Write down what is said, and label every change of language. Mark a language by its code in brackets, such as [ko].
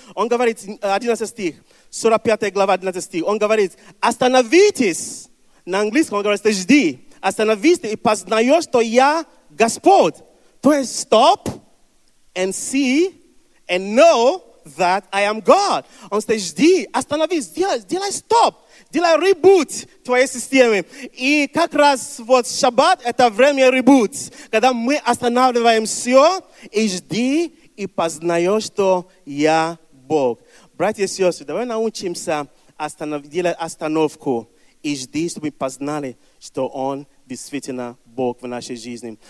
[ru] Он говорит, 11 стих, 45 глава, 11 стих. Он говорит, остановитесь. На английском он говорит, жди. Остановись и познаешь, что я Господь. То есть [en] stop and see and know that I am God. [ru] Он говорит, жди, остановись, сделай stop. Делай ребут твоей системе. И как раз вот шаббат – это время ребут, когда мы останавливаем все и жди, и познаешь, что я Бог. Братья и сестры, давай научимся делать остановку и жди, чтобы познали, что Он действительно Бог в нашей жизни.